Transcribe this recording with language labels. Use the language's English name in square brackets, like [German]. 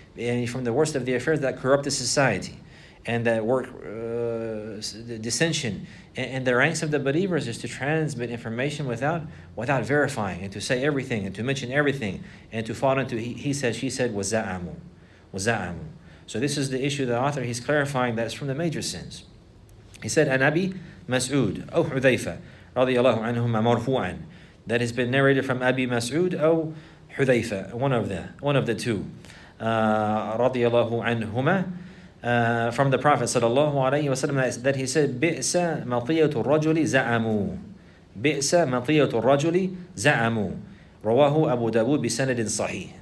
[English] And from the worst of the affairs that corrupt the society. And that work, the dissension in the ranks of the believers is to transmit information without verifying, and to say everything, and to mention everything, and to fall into he said, she said, [Arabic] وَزَّعَمُوا. وَزَّعَمُوا. [English] So this is the issue the author, he's clarifying that it's from the major sins. He said, [Arabic] أَنْ أَبِي مَسْعُودَ أَوْ حُذَيْفَةَ رَضِيَ اللَّهُ عَنْهُمَا مَرْفُوعًا. [English] That has been narrated from Abi Mas'ud [Arabic] أَوْ حُذَيْفَةَ, [English] one of the two. [Arabic] رَضِيَ اللَّهُ عَنْهُمَا. [English] From the Prophet sallallahu alayhi wasallam that he said, [Arabic] بِئْسَ مَطِيَةُ الرَّجُلِ زَعَمُوا. بِئْسَ مَطِيَةُ الرَّجُلِ زَعَمُوا. رَوَاهُ أَبُو دَاوُودَ بِسَنَدٍ صَحِيحٍ.